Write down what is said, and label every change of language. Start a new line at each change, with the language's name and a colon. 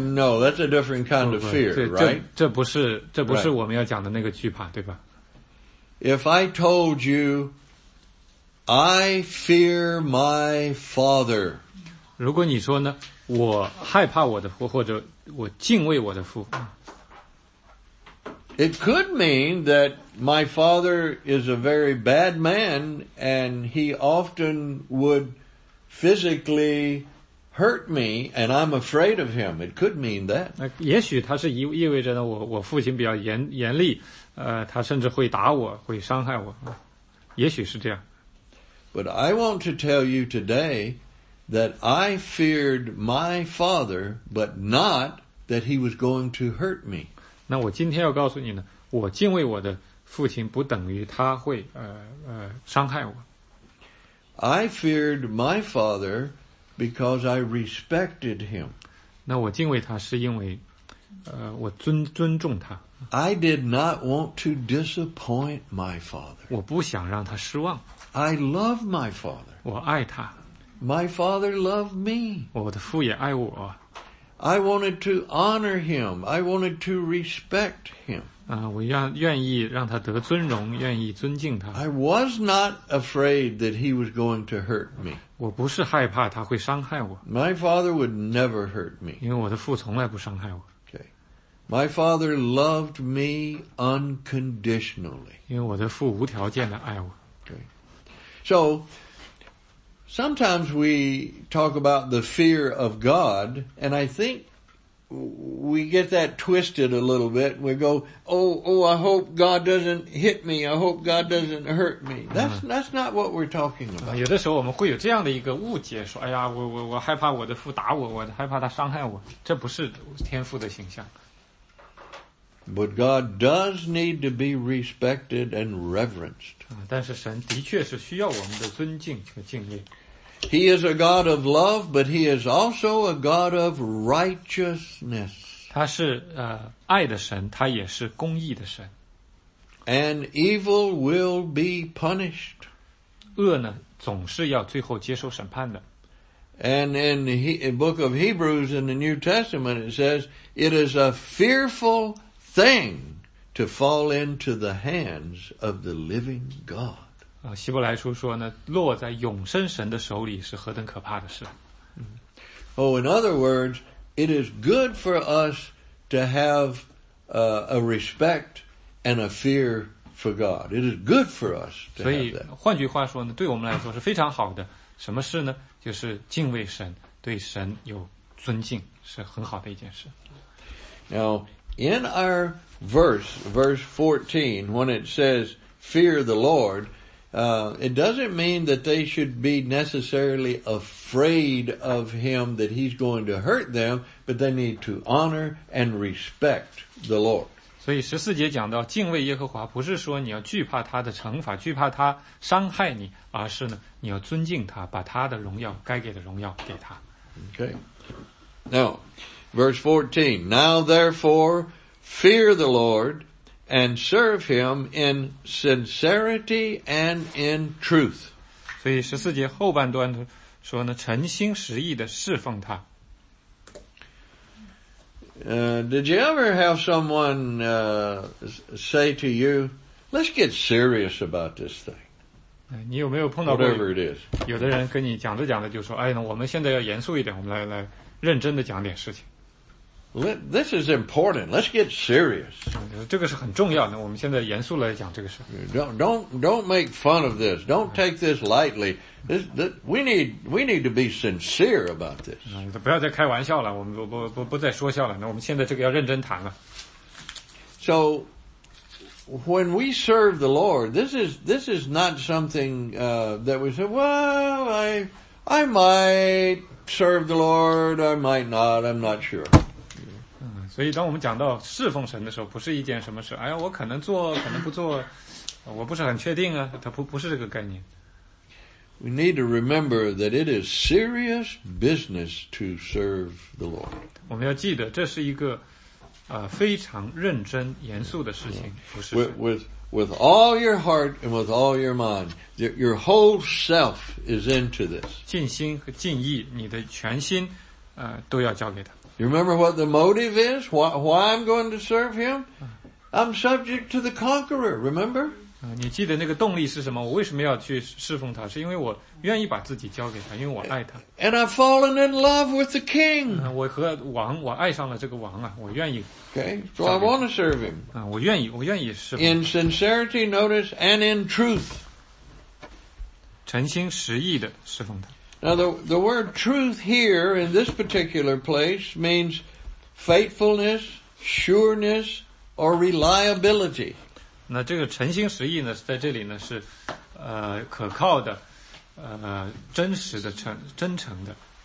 English: No, that's a different kind of fear, right?
Chinese: 这不是我们要讲的那个惧怕，对吧？
English: If I told you, I fear my father.
Chinese: 如果你说呢，我害怕我的父，或者我敬畏我的父。
English: It could mean that my father is a very bad man and he often would physically hurt me and I'm afraid of him. It could mean that.
Chinese: 也许他是意味着呢 我父亲比较 严厉、他甚至会打我会伤害我。也许是这样。
English: But I want to tell you today that I feared my father, but not that he was going to hurt me.
Chinese: 那我今天要告诉你呢，我敬畏我的父亲不等于他会伤害我。
English: I feared my father because I respected him.
Chinese: 那我敬畏他是因为我尊重他。
English: I did not want to disappoint my father.
Chinese: 我不想让他失望。
English: I love my father.
Chinese: 我爱他。
English: My father loved me.
Chinese: 我的父也爱我。
English: I wanted to honor him. I wanted to respect him.
Chinese: 我愿意让他得尊荣，愿意尊敬他。
English: I was not afraid that he was going to hurt me.
Chinese: 我不是害怕他会伤害我。
English: My father would never hurt me.
Chinese: 因为我的父从来不伤害我。
English: Okay. My father loved me unconditionally.
Chinese: 因为我的父无条件地爱我。
English: Okay. So, sometimes we talk about the fear of God, and I think we get that twisted a little bit. We go, oh, I hope God doesn't hit me. I hope God doesn't hurt me. That's not what we're talking about.
Chinese: 有的时候我们会有这样的一个误解，说，哎呀，我害怕我的父打我，我害怕他伤害我。这不是天父的形象。
English: But God does need to be respected and reverenced.
Chinese: 但是神的确是需要我们的尊敬和敬畏。
English: He is a God of love, but he is also a God of righteousness.
Chinese: 他是爱的神，他也是公义的神。
English: And evil will be punished.
Chinese: 恶呢，总是要最后接受审判的。
English: And in the book of Hebrews in the New Testament, it says, it is a fearful thing to fall into the hands of the living God.
Chinese: 希伯来书说呢，落在永生神的手里是何等可怕的事。
English: Oh, in other words, it is good for us to have a respect and a fear for God. It is good for us to have that.
Chinese: 所以换句话说呢，对我们来说是非常好的。什么事呢？就是敬畏神，对神有尊敬，是很好的一件事。
English: Now,in our verse 14, when it says, fear the Lord, it doesn't mean that they should be necessarily afraid of him, that he's going to hurt them, but they need to honor and respect the Lord.
Chinese: 所以十四节讲到敬畏耶和华不是说你要惧怕他的惩罚，惧怕他伤害你，而是呢，你要尊敬他，把他的荣耀，该给的荣耀给他。
English: Okay. Now,Verse 14, now therefore fear the Lord and serve him in sincerity and in truth.
Chinese: 所以十四节后半段说呢，诚心实意地侍奉他。
English: Did you ever have someone say to you, let's get serious about this thing?
Chinese: 你有没有碰到过
English: whatever it is.
Chinese: 有的人跟你讲着讲着就说，哎呀，我们现在要严肃一点，我们来认真地讲点事情。
English: This is important. Let's get serious.
Chinese: 这个是很重要的。我们现在严肃来讲这个事。
English: Don't make fun of this. Don't take this lightly. We need to be sincere about this.
Chinese: 不要再开玩笑了。我们不再说笑了。那我们现在这个要认真谈了。
English: So, when we serve the Lord, this is not something, that we say, well, I might serve the Lord, I might not, I'm not sure.
Chinese: 所以当我们讲到侍奉神的时候不是一件什么事，哎呀，我可能做可能不做，我不是很确定啊，它不是这个概念。
English: We need to remember that it is serious business to serve the Lord.
Chinese: 我们要记得这是一个非常认真严肃的事情。
English: With all your heart and with all your mind, your whole self is into this.
Chinese: 尽心和尽意，你的全心，都要交给他。
English: You remember what the motive is? Why I'm going to serve him? I'm subject to the conqueror, remember?
Chinese: 你记得那个动力是什么？我为什么要去侍奉他？是因为我愿意把自己交给他，因为我爱他。
English: And I've fallen in love with the king.
Chinese: 我和王，我爱上了这个王啊，我愿意。
English: Okay, so I want to serve him.
Chinese: 我愿意，我愿意侍奉。
English: In sincerity, notice, and in truth.
Chinese: 诚心实意的侍奉他。
English: Now the word truth here in this particular place means faithfulness, sureness, or reliability.
Chinese: 那这个诚心实意呢，在这里呢是，可靠的，真实的真诚的。